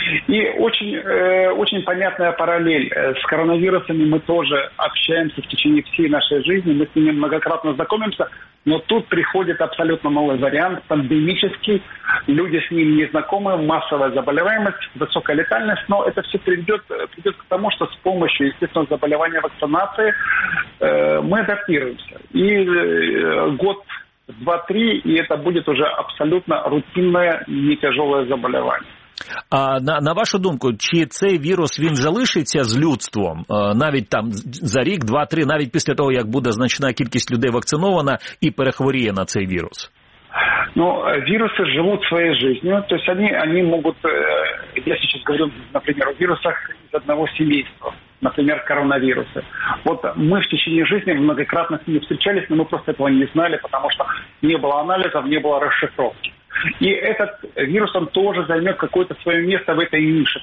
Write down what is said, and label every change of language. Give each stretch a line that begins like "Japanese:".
Russian: И очень понятная параллель. С коронавирусами мы тоже общаемся в течение всей нашей жизни, мы с ними многократно знакомимся, но тут приходит абсолютно новый вариант, пандемический, люди с ним не знакомы, массовая заболеваемость, высокая летальность, но это все приведет к тому, что с помощью, естественно, заболевания вакцинации мы адаптируемся. И год, два, три, и это будет уже абсолютно рутинное, не тяжелое заболевание.
Ukrainian: А на вашу думку, чи цей вірус він залишиться з людством навіть там за рік, два-три, навіть після того, як буде значна кількість людей вакцинована і перехворіє на цей вірус? Ну, віруси живуть своєю життю. Тобто вони можуть, я зараз говорю, наприклад, о вірусах з одного сімейства, наприклад, коронавіруси. От ми
Russian: в течение
Ukrainian: життя
Russian: многократно
Ukrainian: з ними зустрічалися, але ми просто цього не знали, тому що не було аналізів, не було розшифровки.
Russian: И этот вирус, он тоже займет какое-то свое место в этой нише.